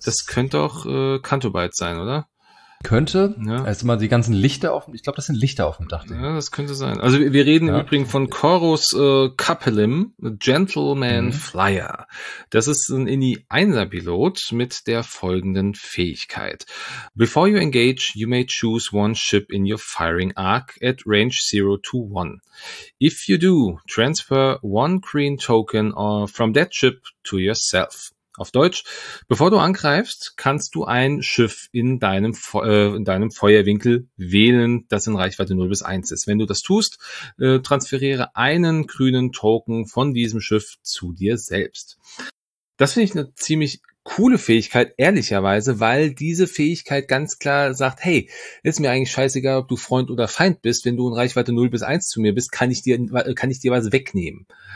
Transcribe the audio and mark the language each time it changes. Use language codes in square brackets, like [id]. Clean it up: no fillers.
[de] Das könnte auch Canto Bight sein, oder? Könnte, ja. Also mal die ganzen Lichter auf dem, ich glaube, das sind Lichter auf dem Dach. Ja, das könnte sein. Also wir reden im Übrigen von Corus Capellim, Gentleman Flyer. Das ist ein INI-1er-Pilot mit der folgenden Fähigkeit. [en] Before you engage, you may choose one ship in your firing arc at range 0 to 1. If you do, transfer one green token from that ship to yourself. [de] Auf Deutsch, bevor du angreifst, kannst du ein Schiff in deinem Feuerwinkel wählen, das in Reichweite 0 bis 1 ist. Wenn du das tust, transferiere einen grünen Token von diesem Schiff zu dir selbst. Das finde ich eine ziemlich coole Fähigkeit, ehrlicherweise, weil diese Fähigkeit ganz klar sagt, hey, ist mir eigentlich scheißegal, ob du Freund oder Feind bist, wenn du in Reichweite 0 bis 1 zu mir bist, kann ich dir was wegnehmen.